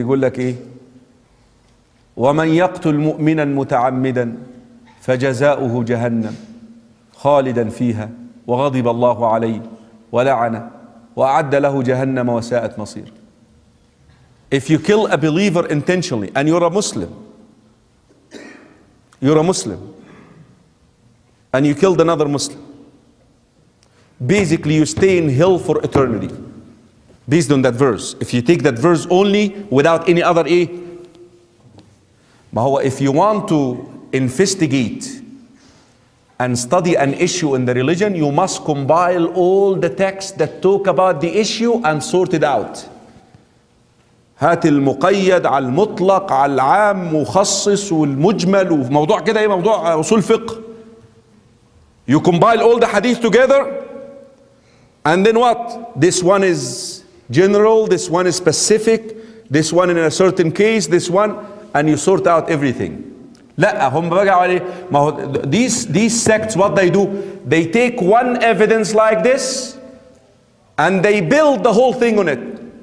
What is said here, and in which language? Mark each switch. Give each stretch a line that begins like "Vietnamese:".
Arabic: يقول لك إيه؟ ومن يقتل مؤمنا متعمدا فجزاؤه جهنم خالدا فيها وغضب الله عليه ولعنه وأعد له جهنم وساءت مصير.
English: If you kill a believer intentionally and you're a Muslim and you killed another Muslim, basically you stay in hell for eternity based on that verse. If you take that verse only without any other A,
Arabic: ما هو
English: if you want to investigate and study an issue in the religion, you must compile all the texts that talk about the issue and sort it out.
Arabic: هات المقيد على المطلق على العام مخصص والمجمل وموضوع كده ايه موضوع اصول فقه.
English: You compile all the hadith together and then what? This one is general, this one is specific, this one in a certain case, this one, and you sort out everything.
Arabic: لا هم بقوا عليه ما هو
English: these sects what they do, they take one evidence like this and they build the whole thing on it.